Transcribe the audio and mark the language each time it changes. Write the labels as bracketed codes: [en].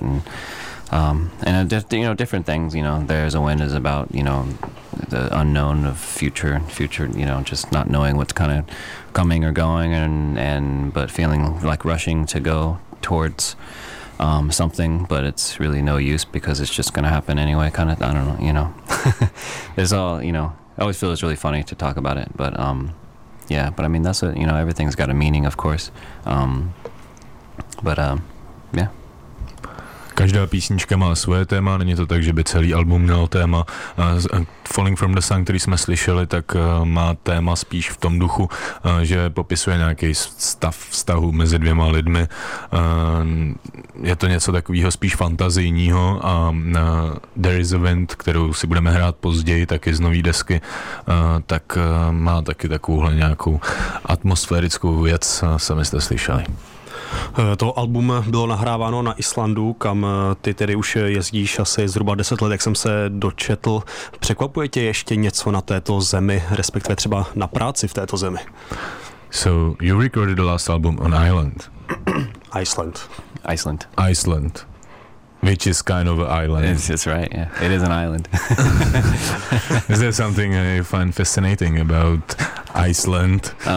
[en] And you know, different things, you know, There's a Wind is about, you know, the unknown of future, you know, just not knowing what's kind of coming or going but feeling like rushing to go towards something, but it's really no use because it's just going to happen anyway, kind of, I don't know, you know, it's all, you know, I always feel it's really funny to talk about it, but yeah, but I mean, that's what, you know, everything's got a meaning, of course, yeah. [cs] Každá písnička má svoje téma, není to tak, že by celý album měl téma. Falling from the Sun, který jsme slyšeli, tak má téma spíš v tom duchu, že popisuje nějaký stav vztahu mezi dvěma lidmi. Je to něco takového spíš fantazijního a There is a Wind, kterou si budeme hrát později, taky z nový desky, tak má taky takovouhle nějakou atmosférickou věc, sami jste slyšeli. To album bylo nahráváno na Islandu, kam ty tedy už jezdíš asi zhruba 10 let, jak jsem se dočetl. Překvapuje tě ještě něco na této zemi, respektive třeba na práci v této zemi? [en] So, you recorded the last album on Iceland. Iceland. Iceland. Iceland. Which is kind of an island. That's right, yeah. It is an island. Is there something I find fascinating about Iceland?